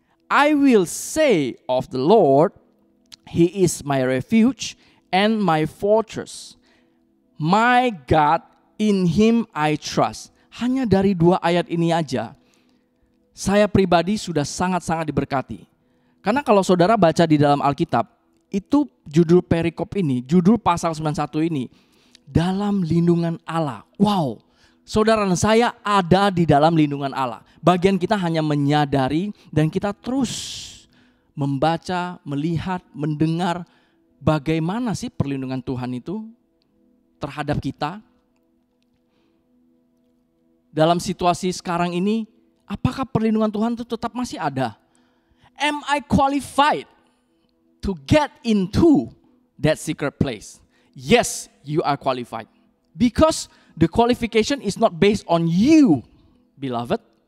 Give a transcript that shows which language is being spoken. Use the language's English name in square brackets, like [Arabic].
[English] I will say of the Lord, He is my refuge and my fortress. My God, in Him I trust. [Indonesian] Hanya dari dua ayat ini aja, saya pribadi sudah sangat-sangat diberkati. Karena kalau saudara baca di dalam Alkitab, itu judul perikop ini, judul pasal 91 ini, dalam lindungan Allah. Wow, saudara dan saya ada di dalam lindungan Allah. Bagian kita hanya menyadari dan kita terus membaca, melihat, mendengar bagaimana sih perlindungan Tuhan itu terhadap kita. Dalam situasi sekarang ini, apakah perlindungan Tuhan itu tetap masih ada? [English] Am I qualified to get into that secret place? Yes, you are qualified. Because the qualification is not based on you, beloved.